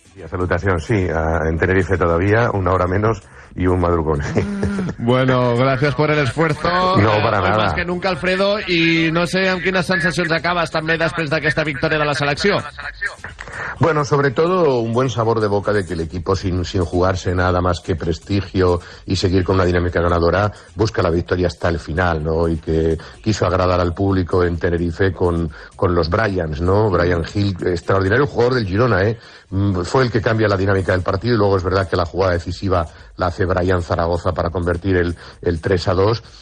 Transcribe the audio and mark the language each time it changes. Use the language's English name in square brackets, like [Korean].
[Spanish] Salutación, sí, en Tenerife todavía, una hora menos y un madrugón. Bueno, gracias por el esfuerzo. No, para nada. Más que nunca, Alfredo, y no sé [Catalan] amb quines sensacions acabes també després d'aquesta victòria de la selecció. [Spanish] Bueno, sobre todo un buen sabor de boca de que el equipo, sin jugarse nada más que prestigio y seguir con una dinámica ganadora, busca la victoria hasta el final, ¿no? Y que quiso agradar al público en Tenerife con los Bryans, ¿no? Brian Hill, extraordinario jugador del Girona, ¿eh? Fue el que cambia la dinámica del partido y luego es verdad que la jugada decisiva la hace Bryan Zaragoza para convertir el 3-2.